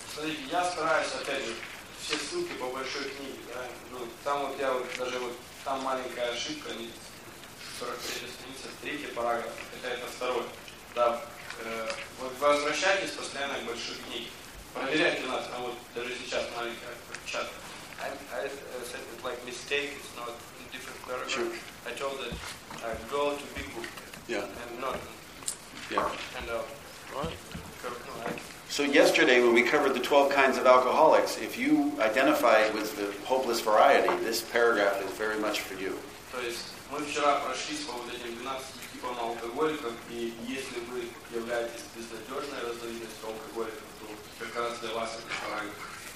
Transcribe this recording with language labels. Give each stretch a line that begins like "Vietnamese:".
Russian: Смотрите, я стараюсь, опять же, все ссылки по большой книге, да? Ну, там вот я вот даже вот там маленькая ошибка, 43 страница, третий параграф, хотя это второй. Да. Вот возвращайтесь постоянно к большой книге. Проверяйте нас, там вот даже сейчас маленькая чат.
English: I said it like mistake, it's not in different paragraph. Sure. I told that I go to big book. Yeah. And not. Yeah. And So yesterday when we covered the 12 kinds of alcoholics, if you identify with the hopeless variety, this paragraph is very much for you.
Russian: То есть мы вчера прошлись по вот этим 12 типам алкоголиков, и если вы являетесь безнадежной разновидностью алкоголиков, то как раз для вас это параграф.